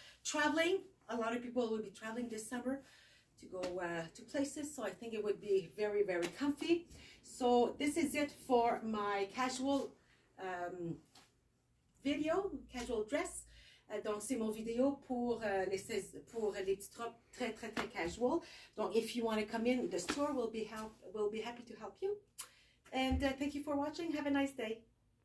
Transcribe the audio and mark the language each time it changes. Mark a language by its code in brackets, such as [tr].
[en] Traveling, a lot of people will be traveling this summer to go to places, so I think it would be very, very comfy. So this is it for my casual video, casual dress. [fr] Donc c'est mon vidéo pour les petites robes très très très casual. [en] Donc if you want to come in, the store will be happy to help you. And thank you for watching. Have a nice day.